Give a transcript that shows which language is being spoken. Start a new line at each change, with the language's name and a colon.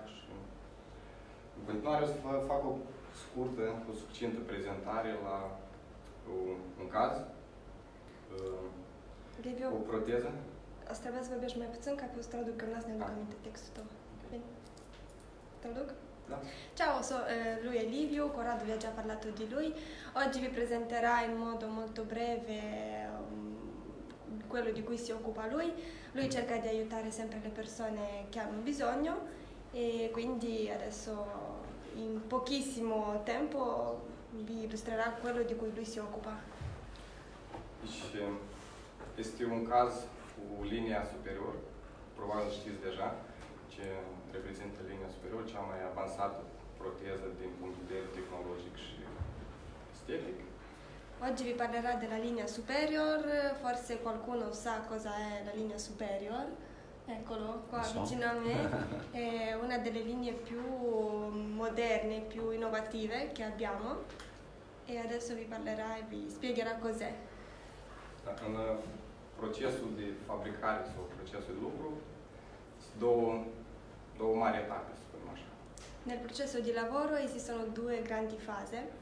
Romanian: Și în continuare o să fac o scurtă, o succintă prezentare la un caz, o proteză. O să trebuie să vorbești mai puțin, ca pe o să traduc, că las ne-aduc aminte textul tău. Bine. Traduc? Da.
Italian: Ciao, lui e Liviu, Corrado vi ha già parlato di lui. Oggi vi presenterà in modo molto breve quello di cui si occupa lui. Lui cerca di aiutare sempre le persone che hanno bisogno e quindi adesso in pochissimo tempo vi illustrerà quello di cui lui si occupa.
Romanian: Este un caz cu linia superior, probabil știți deja ce reprezintă linia superior, cea mai avansată proteză din punct de vedere tehnologic și estetic.
Italian: Oggi vi parlerà della linea superior, forse qualcuno sa cosa è la linea superior. Eccolo Lo qua so. vicino a me, è una delle linee più moderne, più innovative che abbiamo e adesso vi parlerà e vi spiegherà cos'è.
Romanian: Procesul de fabricare sau procesul de lucru sunt două mari etape, să spunem așa.
Italian: Nel processo di lavoro esistono due grandi fasi.